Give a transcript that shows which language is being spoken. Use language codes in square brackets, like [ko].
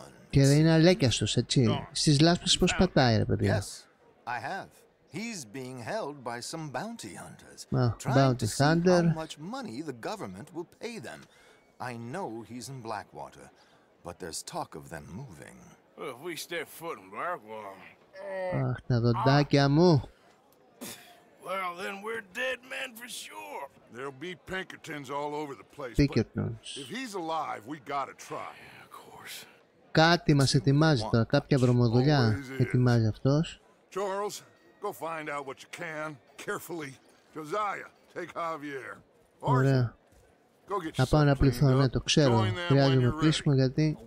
[el] Και δεν είναι αλέκιαστος, έτσι. Στις λάσπες πως πατάει, ρε παιδιά. [en] I have. He's being held by some bounty hunters. Bounty hunter. How much money the government will pay them. I know he's in Blackwater, but there's talk of them moving. Well, if we step foot in Blackwater. [el] Αχ, τα δοντάκια μου. [en] Well, then we're dead men for sure. There'll be Pinkertons all over the place. Pinkertons. If he's alive, we gotta try. Of course. [el] Κάτι μας ετοιμάζει τώρα, κάποια βρωμοδουλειά ετοιμάζει αυτός. [en] Charles, go find out what you can, carefully. Josiah, take Javier. [el] Ωραία. Θα πάω να πληθώ, ναι, το ξέρω. Χρειάζομαι πλήσιμο γιατί...